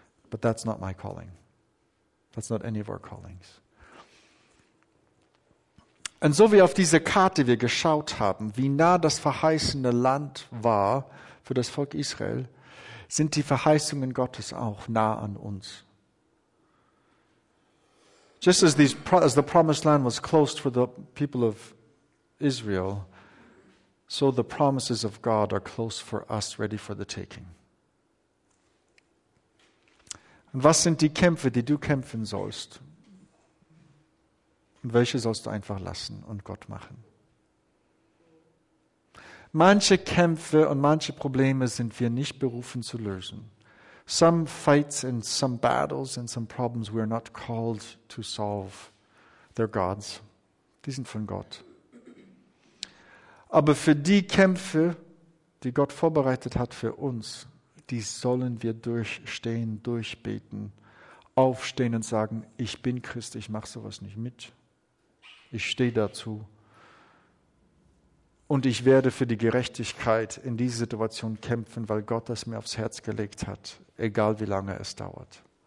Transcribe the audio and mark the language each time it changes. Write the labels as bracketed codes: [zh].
[en] But that's not my calling. That's not any of our callings. [de] Und so wie auf diese Karte wir geschaut haben, wie nah das verheißene Land war für das Volk Israel, sind die Verheißungen Gottes auch nah an uns. [en] Just as the promised land was closed for the people of Israel, so the promises of God are close for us, ready for the taking. [de] Und was sind die Kämpfe, die du kämpfen sollst? Und welche sollst du einfach lassen und Gott machen? Manche Kämpfe und manche Probleme sind wir nicht berufen zu lösen. [en] Some fights and some battles and some problems we are not called to solve. They're God's. [de] Die sind von Gott. Aber für die Kämpfe, die Gott vorbereitet hat für uns, die sollen wir durchstehen, durchbeten, aufstehen und sagen, ich bin Christ, ich mache sowas nicht mit. Ich stehe dazu und ich werde für die Gerechtigkeit in dieser Situation kämpfen, weil Gott das mir aufs Herz gelegt hat, egal wie lange es dauert.